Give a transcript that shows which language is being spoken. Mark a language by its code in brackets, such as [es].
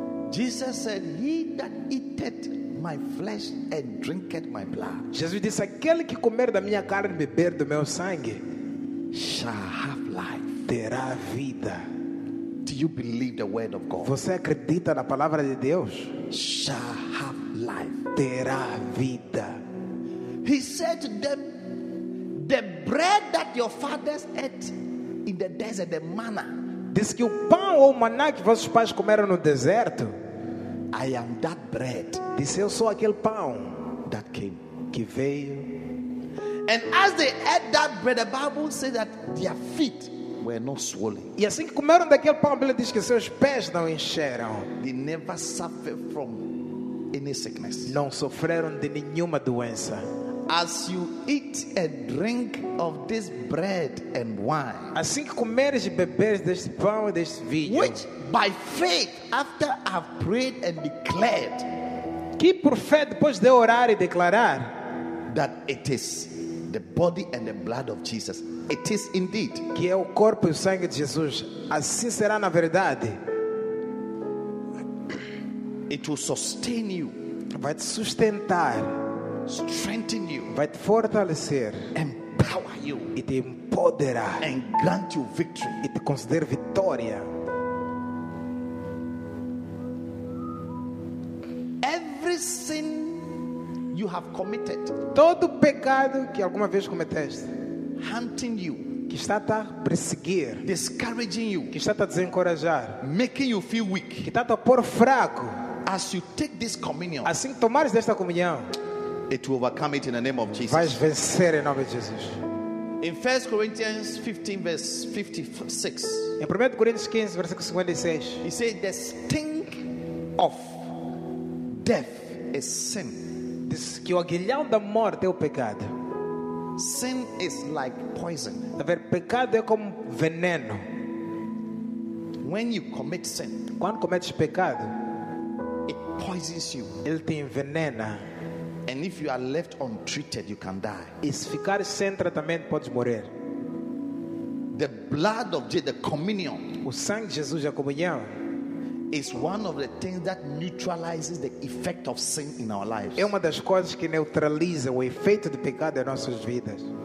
[en] Jesus said, "He that eateth my flesh and drinketh my blood." [pt] Jesus disse, aquele que comer da minha carne e beber do meu sangue, [en] shall have life, [pt] terá vida. [en] Do you believe the word of God? [pt] Você acredita na palavra de Deus? [en] Shall have life. [pt] Terá vida. [en] He said to them, the bread that your fathers ate in the desert, the manna. [pt] Diz que o pão ou o maná que vossos pais comeram no deserto. [en] I am that bread. [pt] Diz, eu sou aquele pão. [en] That came. [pt] Que veio. [en] And as they ate that bread, the Bible says that their feet were not swollen. [pt] E assim que comeram daquele pão, a Bíblia diz que seus pés não encheram. [en] They never suffered from any sickness. [pt] Não sofreram de nenhuma doença. [en] As you eat and drink of this bread and wine, [pt] assim que comeres e beberes deste pão e deste vinho, [en] which by faith, after I've prayed and declared, [pt] que por fé depois de orar e declarar, [en] that it is the body and the blood of Jesus. It is indeed. [pt] Que é o corpo e o sangue de Jesus. Assim será na verdade. [en] It will sustain you. [pt] Vai te sustentar. [en] Strengthen you. [pt] Vai te fortalecer. [en] Empower you. [pt] E te empoderar. [en] And grant you victory. [pt] E te conceder vitória. [en] Every sin you have committed. [pt] Todo pecado que alguma vez cometeste. [en] Hunting you, [pt] que está a perseguir, [en] discouraging you, [pt] que está a desencorajar, [en] making you feel weak, [pt] que está a pôr fraco, [en] as you take this communion, [pt] assim tomares esta comunhão, [en] it will overcome it in the name of Jesus. [pt] Vais vencer em nome de Jesus. [en] In 1 Corinthians 15 verse 56. [pt] Em 1 Coríntios 15 versículo 56. [en] He said the sting of death is sin. [pt] Diz que o aguilhão da morte é o pecado. [en] Sin is like poison. [pt] Pecado é como veneno. [en] When you commit sin, [pt] quando cometes pecado, [en] it poisons you. [pt] Ele te envenena. [en] And if you are left untreated, you can die. [pt] E se ficar sem tratamento, podes morrer. [en] The blood of Jesus, the communion, [pt] o sangue de Jesus, a comunhão, [en] is one of the things that neutralizes the effect of sin in our lives. [pt] É uma das coisas que neutraliza o efeito do pecado em nossas vidas.